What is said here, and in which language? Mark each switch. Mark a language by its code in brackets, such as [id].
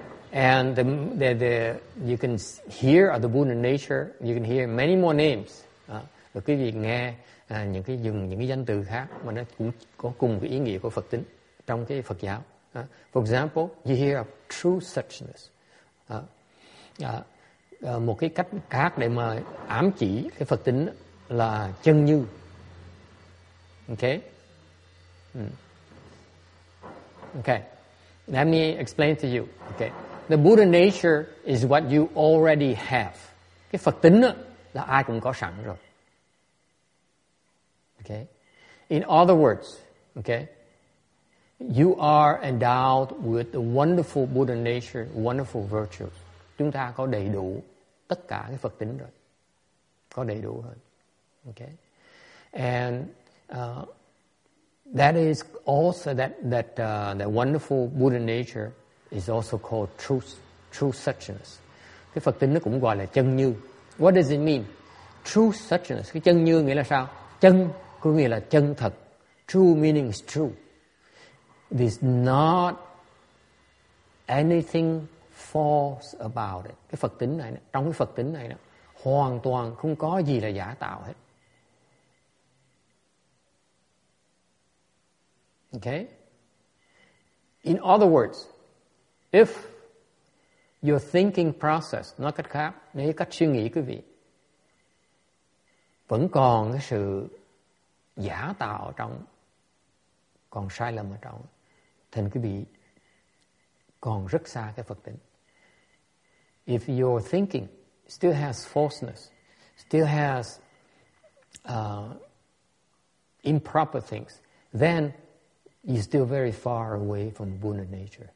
[en] And you can hear of the Buddha nature, you can hear many more names. [vi] Rồi quý vị nghe những cái danh từ khác mà nó cũng có cùng cái ý nghĩa của Phật tính trong cái Phật giáo. [en] For example, you hear of true suchness. [vi] Một cái cách khác để mà ám chỉ cái Phật tính là chân như. [en] Okay. Okay. Let me explain to you. Okay. The Buddha nature is what you already have. [vi] Cái Phật tính là ai cũng có sẵn rồi. [en] Okay. In other words, okay, you are endowed with the wonderful Buddha nature, wonderful virtues. [vi] Chúng ta có đầy đủ tất cả cái Phật tính rồi. Có đầy đủ rồi. Okay. [en] And that is also that wonderful Buddha nature is also called true suchness. [vi] Cái Phật tính nó cũng gọi là chân như. [en] What does it mean? True suchness. [vi] Cái chân như nghĩa là sao? Chân có nghĩa là chân thật. [en] True meaning is true. It is not anything false about it. [vi] Cái Phật tính này, trong cái Phật tính này, hoàn toàn không có gì là giả tạo hết. [en] Okay? In other words, if your thinking process, [vi] nói cách khác, nếu cách suy nghĩ quý vị, vẫn còn cái sự giả tạo trong, còn sai lầm ở trong, thì quý vị còn rất xa cái Phật tính. [en] If your thinking still has falseness, still has improper things, then you're still very far away from Buddha nature.